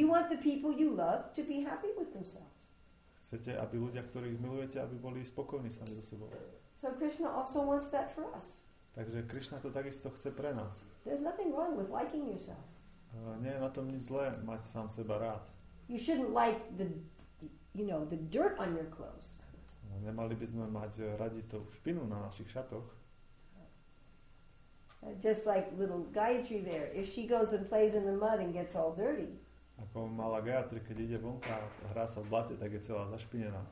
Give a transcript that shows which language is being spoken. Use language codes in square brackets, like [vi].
[en] You want the people you love to be happy with themselves. [sk] Chcete, aby ľudia, ktorých milujete, aby boli spokojní sami so sebou. [en] So Krishna also wants that for us. [sk] Takže Krishna to takisto chce pre nás. [en] There's nothing wrong with liking yourself. [sk] Nie je na tom nič zlé, mať sám seba rád. [en] You shouldn't like the, you know, the dirt on your clothes. [sk] Nemali by sme mať radi tú špinu na našich šatoch. [en] Just like little Gayatri there. If she goes and plays in the mud and gets all dirty. [sk] Ako malá Gayatri, keď ide vonka a hrá sa v blate, tak je celá zašpinená.